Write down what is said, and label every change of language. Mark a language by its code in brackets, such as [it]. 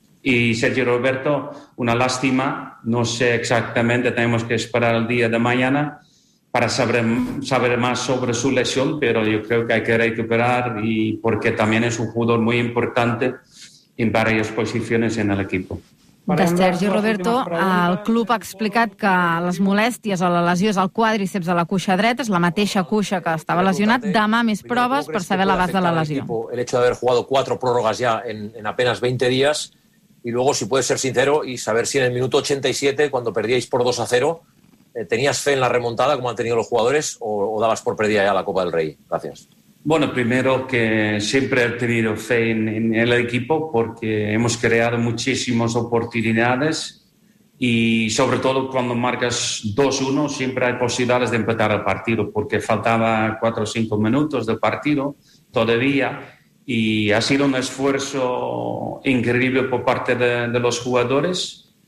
[es] Y Sergio Roberto, una lástima, no sé exactamente, tenemos que esperar el día de mañana para saber más sobre su lesión, pero yo creo que hay que recuperar y porque también es un jugador muy importante en varias posiciones en el equipo. [ca] De Sergi Roberto, el club ha explicat que les molèsties o la lesió és el quàdriceps de la cuixa dreta, és la mateixa cuixa que estava lesionat. Demà més proves per saber l'abast de la lesió. [es] El hecho de haber jugado 4 prórrogas ya en apenas 20 días y luego, si puedes ser sincero, y saber si en el minuto 87, cuando perdíais por 2-0, ¿tenías fe en la remontada, como han tenido los jugadores, o dabas por perdida ya la Copa del Rey? Gracias. Bueno, primero que siempre he tenido fe en el equipo porque hemos creado muchísimas oportunidades y sobre todo cuando marcas 2-1 siempre hay posibilidades de empatar el partido porque faltaba 4 o 5 minutos de partido todavía y ha sido un esfuerzo increíble por parte de los jugadores.